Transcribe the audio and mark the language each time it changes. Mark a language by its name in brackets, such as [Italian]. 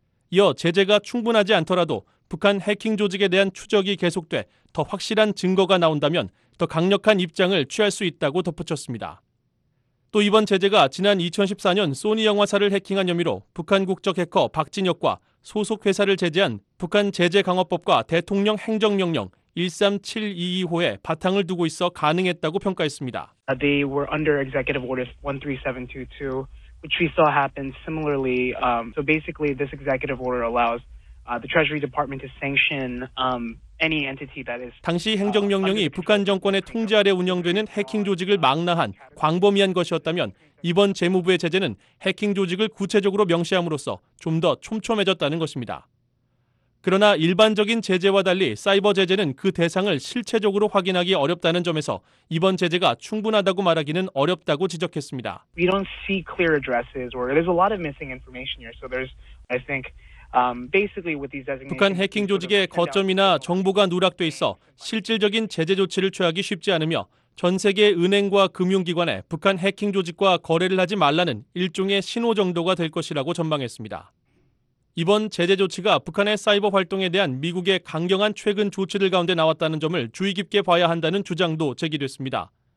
[Korean] 이어 제재가 충분하지 않더라도 북한 해킹 조직에 대한 추적이 계속돼 더 확실한 증거가 나온다면 더 강력한 입장을 취할 수 있다고 덧붙였습니다. 또 이번 제재가 지난 2014년 소니 영화사를 해킹한 혐의로 북한 국적 해커 박진혁과 소속 회사를 제재한 북한 제재 강화법과 대통령 행정명령 13722호에 바탕을 두고 있어 가능했다고 평가했습니다. [English] They were under executive order 13722, which we saw happen similarly. So basically, this executive order allows the Treasury Department to sanction any entity that is. [Korean] 당시 행정명령이 북한 정권의 통제 아래 운영되는 해킹 조직을 망라한 광범위한 것이었다면. 이번 재무부의 제재는 해킹 조직을 구체적으로 명시함으로써 좀 더 촘촘해졌다는 것입니다. 그러나 일반적인 제재와 달리 사이버 제재는 그 대상을 실체적으로 확인하기 어렵다는 점에서 이번 제재가 충분하다고 말하기는 어렵다고 지적했습니다. [English] We don't see clear addresses or there's a lot of missing information here. So there's, I think, basically with these designations. [Korean] 북한 해킹 조직의 거점이나 정보가 누락돼 있어 실질적인 제재 조치를 취하기 쉽지 않으며 전 세계 은행과 금융기관에 북한 해킹 조직과 거래를 하지 말라는 일종의 신호 정도가 될 것이라고 전망했습니다. 이번 제재 조치가 북한의 사이버 활동에 대한 미국의 강경한 최근 조치들 가운데 나왔다는 점을 주의 깊게 봐야 한다는 주장도 제기됐습니다.